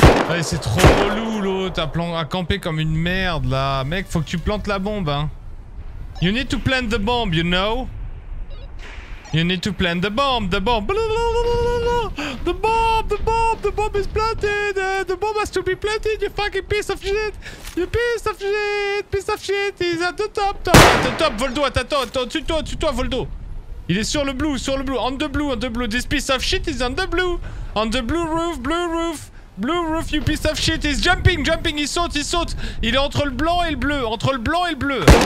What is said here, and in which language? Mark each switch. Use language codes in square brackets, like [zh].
[fr] Ouais, c'est trop relou l'eau, t'as campé comme une merde là. Mec, faut que tu plantes la bombe hein. [en] You need to plant the bomb, you know. You need to plant the bomb, the bomb. The bomb is planted. The bomb has to be planted, you fucking piece of shit. You piece of shit. He's at the top, top. Voldo, [fr] attends, tue-toi, [en] Voldo. [fr] Il est sur le blue. [en] On the blue. This piece of shit is on the blue roof. Blue roof, you piece of shit, he's jumping, he [fr] saute. Il est entre le blanc et le bleu.